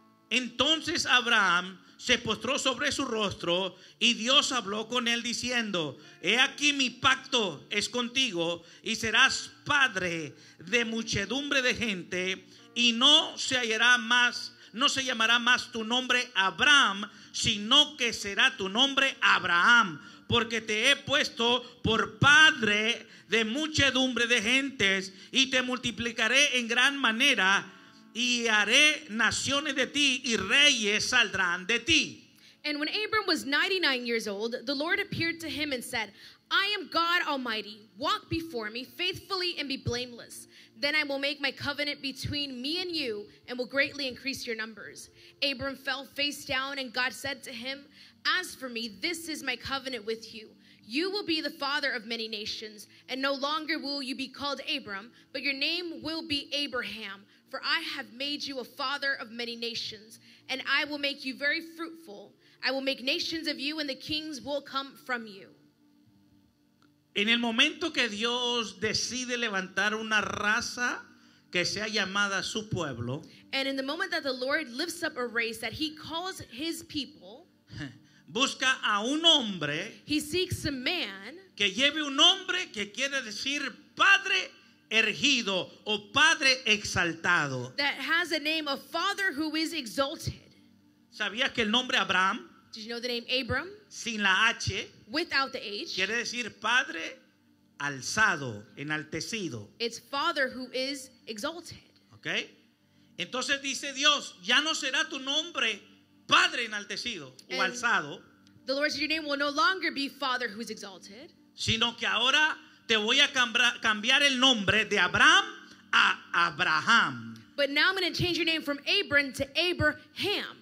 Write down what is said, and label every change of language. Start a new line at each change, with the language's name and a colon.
Spanish: Entonces Abraham se postró sobre su rostro, y Dios habló con él diciendo, he aquí mi pacto es contigo, y serás padre de muchedumbre de gente, y no se llamará más tu nombre Abraham, sino que será tu nombre Abraham, porque te he puesto por padre de muchedumbre de gentes, y te multiplicaré en gran manera, y haré naciones de ti, y reyes saldrán de ti.
English: And when Abram was 99 years old, the Lord appeared to him and said, I am God Almighty, walk before me faithfully and be blameless. Then I will make my covenant between me and you and will greatly increase your numbers. Abram fell face down and God said to him, as for me, this is my covenant with you. You will be the father of many nations and no longer will you be called Abram, but your name will be Abraham, for I have made you a father of many nations and I will make you very fruitful. I will make nations of you and the kings will come from you.
Spanish: En el momento que Dios decide levantar una raza que sea llamada su pueblo,
English: and in the moment that the Lord lifts up a race that he calls his people,
Spanish: busca a un hombre,
English: he seeks a man,
Spanish: que lleve un nombre que quiere decir padre erigido o padre exaltado,
English: that has a name of father who is exalted.
Spanish: ¿Sabías que el nombre Abraham,
English: did you know the name Abram,
Spanish: sin la H,
English: without the H,
Spanish: quiere decir padre alzado, enaltecido.
English: It's father who is exalted. Okay.
Spanish: Entonces dice Dios, ya no será tu nombre padre enaltecido o alzado.
English: The Lord said, your name will no longer be father who is exalted.
Spanish: Sino que ahora te voy a cambiar el nombre de Abraham a Abraham.
English: But now I'm going to change your name from Abram to Abraham.